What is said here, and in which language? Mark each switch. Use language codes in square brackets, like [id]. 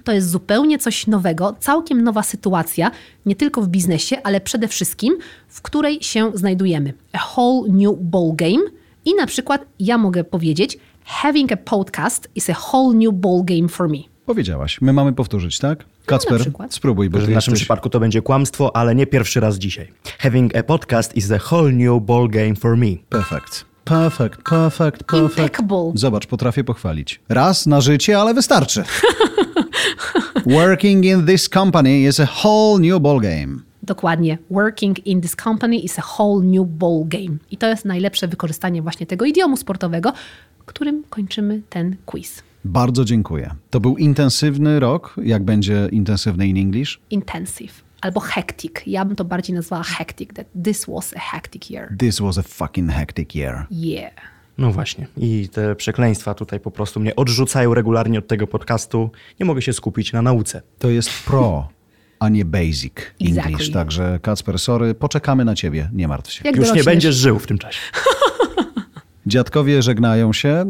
[pl] To jest zupełnie coś nowego, całkiem nowa sytuacja, nie tylko w biznesie, ale przede wszystkim, w której się znajdujemy. [en] A whole new ball game. [pl] I na przykład ja mogę powiedzieć, [en] having a podcast is a whole new ball game for me. [pl] Powiedziałaś. My mamy powtórzyć, tak? Kacper, no, spróbuj. Bo w naszym przypadku to będzie kłamstwo, ale nie pierwszy raz dzisiaj. [en] Having a podcast is a whole new ball game for me. Perfect. Perfect, perfect, perfect. Impeccable. [pl] Zobacz, potrafię pochwalić. Raz na życie, ale wystarczy. [en] Working in this company is a whole new ball game. [pl] Dokładnie. [en] Working in this company is a whole new ball game. [pl] I to jest najlepsze wykorzystanie właśnie tego idiomu sportowego, którym kończymy ten quiz. Bardzo dziękuję. To był intensywny rok. Jak będzie intensywny [en] in English? [pl] Intensive. Albo hectic. Ja bym to bardziej nazwała hectic. [en] That this was a hectic year. This was a fucking hectic year. Yeah. [pl] No właśnie. I te przekleństwa tutaj po prostu mnie odrzucają regularnie od tego podcastu. Nie mogę się skupić na nauce. To jest pro, a nie basic English. [en] Exactly. [pl] Także Kacper, sorry. Poczekamy na ciebie. Nie martw się. Jak już dorośniesz. Nie będziesz żył w tym czasie. Dziadkowie żegnają się.